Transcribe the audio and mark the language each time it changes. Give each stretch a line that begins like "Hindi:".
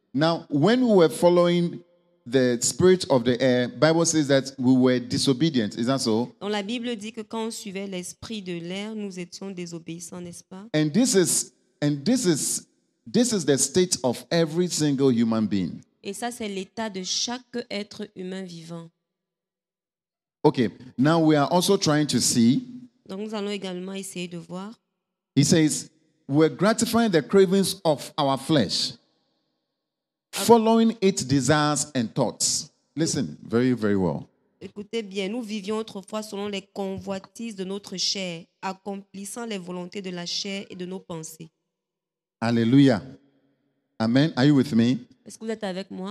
English: Now, when we were following the spirit of the air, Bible says that we were disobedient. Is that so?
French: Donc la Bible dit que quand on suivait l'esprit de l'air, nous étions désobéissants, n'est-ce pas?
English: And this is the state of every single human being.
French: Et ça, c'est l'état de chaque être humain vivant.
English: Okay. Now we are also trying to see.
French: Donc nous allons également essayer de voir.
English: He says, we're gratifying the cravings of our flesh, following its desires and thoughts. Listen very, very well.
French: Écoutez bien, nous vivions autrefois selon les convoitises de notre chair, accomplissant les volontés de la chair et de nos pensées.
English: Alléluia. Amen. Are you with me?
French: Est-ce que vous êtes avec moi?